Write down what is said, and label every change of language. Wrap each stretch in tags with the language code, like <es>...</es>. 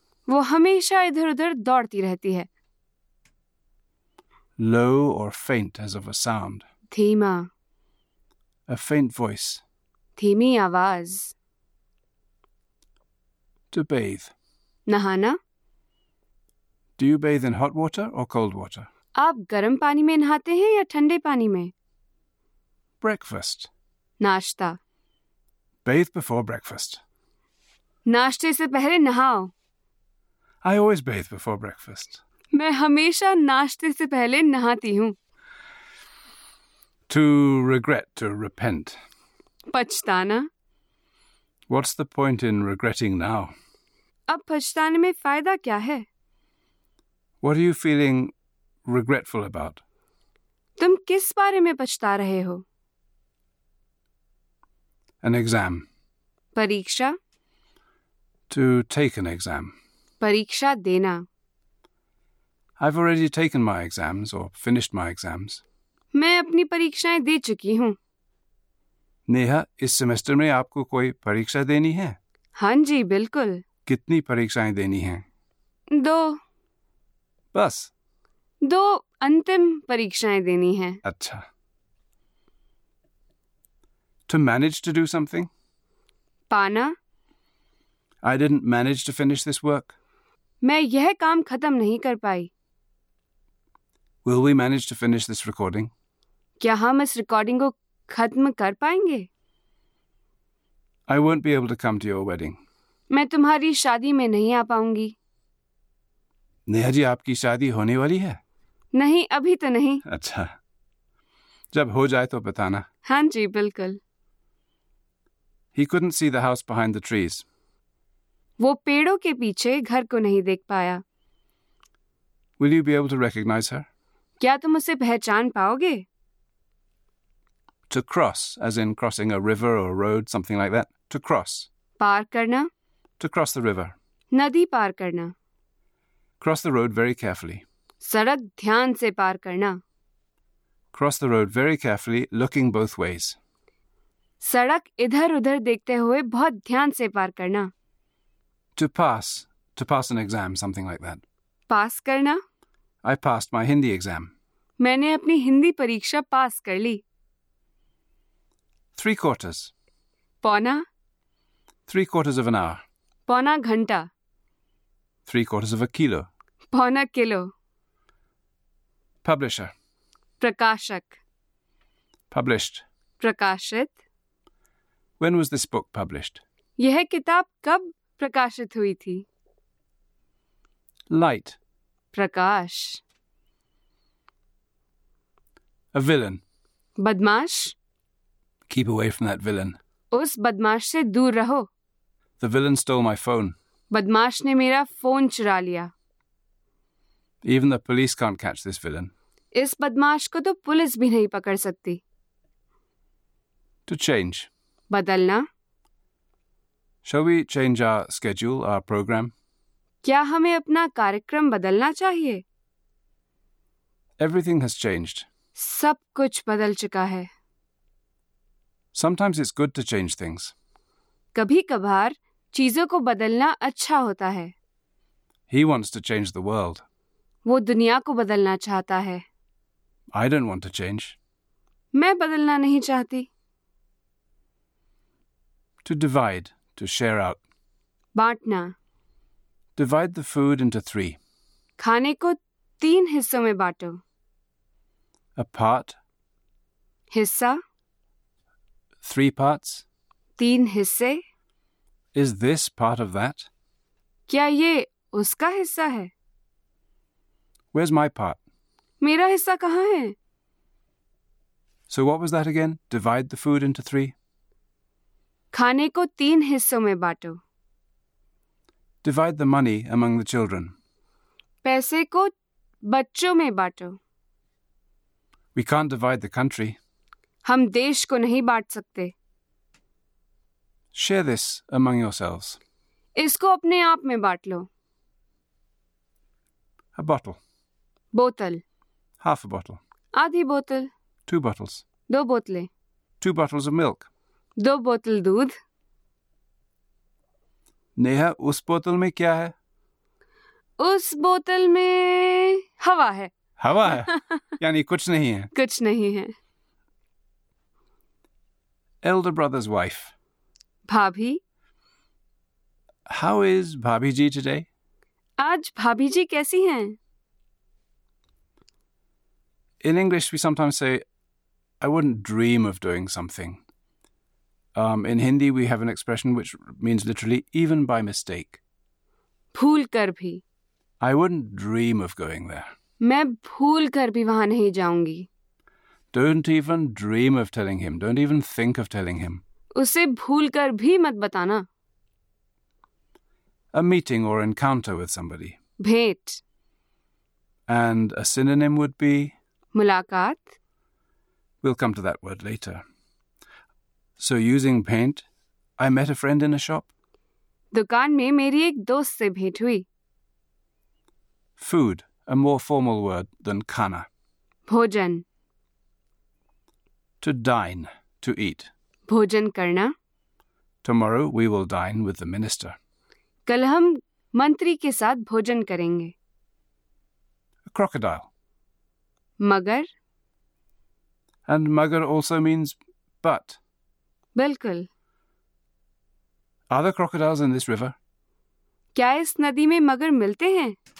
<hi>वो हमेशा इधर उधर दौड़ती रहती है।</hi> <en>Low or faint as of a sound.</en> <hi>धीमा।</hi> <en>A faint voice.</en> <hi>धीमी आवाज।</hi> <en>To bathe.</en> <hi>नहाना।</hi> <en>Do you bathe in hot water or cold water?</en> <hi>आप गर्म पानी में नहाते हैं या ठंडे पानी में?</hi> <en>Breakfast.</en> <hi>नाश्ता।</hi> <en>Bathe before breakfast.</en> <hi>नाश्ते से पहले नहाओ।</hi> <en>I always bathe before breakfast.</en> <hi>मैं हमेशा नाश्ते से पहले नहाती हूँ।</hi> <en>To regret, to repent.</en> <hi>पछताना।</hi> <en>What's the point in regretting now?</en> <hi>अब पछताने में फायदा क्या है?</hi> <en>What are you feeling regretful about?</en> <hi>तुम किस बारे में पछता रहे हो?</hi> <en>An exam.</en> <hi>परीक्षा।</hi> <en>To take an exam.</en> <hi>परीक्षा देना।</hi> <en>I've already taken my exams or finished my exams.</en> <hi>मैं अपनी परीक्षाएं दे चुकी हूँ। नेहा, इस सेमेस्टर में आपको कोई परीक्षा देनी है? हाँ जी, बिल्कुल। कितनी परीक्षाएं देनी हैं? 2। बस? 2 अंतिम परीक्षाएं देनी हैं। अच्छा।</hi> <en>To manage to do something.</en> <hi>पाना।</hi> <en>I didn't manage to finish this work.</en> <hi>मैं यह काम खत्म नहीं कर पाई।</hi> <en>Will we manage to finish this recording?</en> <hi>क्या हम इस रिकॉर्डिंग को खत्म कर पाएंगे?</hi> <en>I won't be able to come to your wedding.</en> <hi>मैं तुम्हारी शादी में नहीं आ पाऊंगी। नेहा जी, आपकी शादी होने वाली है? नहीं अभी तो नहीं। अच्छा, जब हो जाए तो बताना। हाँ जी बिल्कुल।</hi> <en>He couldn't see the house behind the trees.</en> <hi>वो पेड़ों के पीछे घर को नहीं देख पाया।</hi> <en>Will you be able to recognize her?</en> <hi>क्या तुम उसे पहचान पाओगे?</hi> <en>To cross, as in crossing a river or a road, something like that. To cross.</en> <hi>पार करना।</hi> <en>To cross the river.</en> <hi>नदी पार करना।</hi> <en>Cross the road very carefully.</en> <hi>सड़क ध्यान से पार करना।</hi> <en>Cross the road very carefully, looking both ways.</en> <hi>सड़क इधर उधर देखते हुए बहुत ध्यान से पार करना।</hi> <en>To pass an exam, something like that.</en> <hi>पास करना।</hi> <en>I passed my Hindi exam.</en> <hi>मैंने अपनी हिंदी परीक्षा पास कर ली।</hi> <en>Three quarters.</en> <hi>पौना।</hi> <en>Three quarters of an hour.</en> <hi>पौना घंटा।</hi> <en>Three quarters of a kilo.</en> <hi>पौना किलो।</hi> <en>Publisher.</en> <hi>प्रकाशक।</hi> <en>Published.</en> <hi>प्रकाशित।</hi> <en>When was this book published?</en> <hi>यह किताब कब प्रकाशित हुई थी?</hi> <en>Light.</en> <hi>प्रकाश।</hi> <en>A villain.</en> <hi>बदमाश।</hi> <en>Keep away from that villain.</en> <hi>उस बदमाश से दूर रहो।</hi> <en>The villain stole my phone.</en> <hi>बदमाश ने मेरा फोन चुरा लिया।</hi> <en>Even the police can't catch this villain.</en> <hi>इस बदमाश को तो पुलिस भी नहीं पकड़ सकती।</hi> <en>To change.</en> <hi>बदलना।</hi> <en>Shall we change our schedule, our program?</en> <hi>क्या हमें अपना कार्यक्रम बदलना चाहिए?</hi> <en>Everything has changed.</en> <hi>सब कुछ बदल चुका है।</hi> <en>Sometimes it's good to change things.</en> <hi>कभी कभार चीजों को बदलना अच्छा होता है।</hi> <en>He wants to change the world.</en> <hi>वो दुनिया को बदलना चाहता है।</hi> <en>I don't want to change.</en> <hi>मैं बदलना नहीं चाहती।</hi> <en>To divide, to share out.</en> <hi>बांटना।</hi> <en>Divide the food into three.</en> <hi>खाने को तीन हिस्सों में बांटो।</hi> <en>A part.</en> <hi>हिस्सा।</hi> <en>Three parts.</en> <hi>तीन हिस्से।</hi> <en>Is this part of that?</en> <hi>क्या ये उसका हिस्सा है?</hi> <en>Where's my part?</en> <hi>मेरा हिस्सा कहाँ है?</hi> <en>So what was that again? Divide the food into three.</en> <hi>खाने को तीन हिस्सों में बांटो।</hi> <en>Divide the money among the children.</en> <hi>पैसे को बच्चों में बांटो।</hi> <en>We can't divide the country.</en> <hi>हम देश को नहीं बांट सकते।</hi> <en>Share this among yourselves.</en> <hi>इसको अपने आप में बांट लो।</hi> <en>A bottle.</en> <hi>बोतल।</hi> <en>Half a bottle.</en> <hi>आधी बोतल।</hi> <en>Two bottles.</en> <hi>दो बोतलें।</hi> <en>Two bottles of milk.</en> <hi>दो बोतल दूध। नेहा, उस बोतल में क्या है? उस बोतल में हवा है। हवा है? यानी कुछ नहीं है? कुछ नहीं है।</hi> <en>Elder brother's wife.</en> <hi>भाभी।</hi> <en>How is bhabhi ji today?</en> <hi>आज भाभी जी कैसी हैं?</hi> <en>In English, we sometimes say, I wouldn't dream of doing something. In Hindi, we have an expression which means literally, even by mistake.</en> <hi>भूल कर भी।</hi> <en>I wouldn't dream of going there.</en> <hi>मैं भूल कर भी वहां नहीं जाऊंगी।</hi> <en>Don't even dream of telling him. Don't even think of telling him.</en> <hi>उसे भूल कर भी मत बताना।</hi> <en>A meeting or encounter with somebody.</en> <hi>भेंट।</hi> <en>And a synonym would be?</en> <hi>मुलाकात।</hi> <en>We'll come to that word later. So using paint, I met a friend in a shop.</en> <hi>दुकान में मेरी एक दोस्त से भेंट हुई।</hi> <en>Food, a more formal word than khana.</en> <hi>भोजन।</hi> <en>To dine, to eat.</en> <hi>भोजन करना।</hi> <en>Tomorrow we will dine with the minister.</en> <hi>कल हम मंत्री के साथ भोजन करेंगे।</hi> <en>A crocodile.</en> <hi>मगर।</hi> <en>And magar also means butt.</en> <hi>बिल्कुल।</hi> <en>Are there crocodiles in this river?</en> <hi>क्या इस नदी में मगर मिलते हैं?</hi>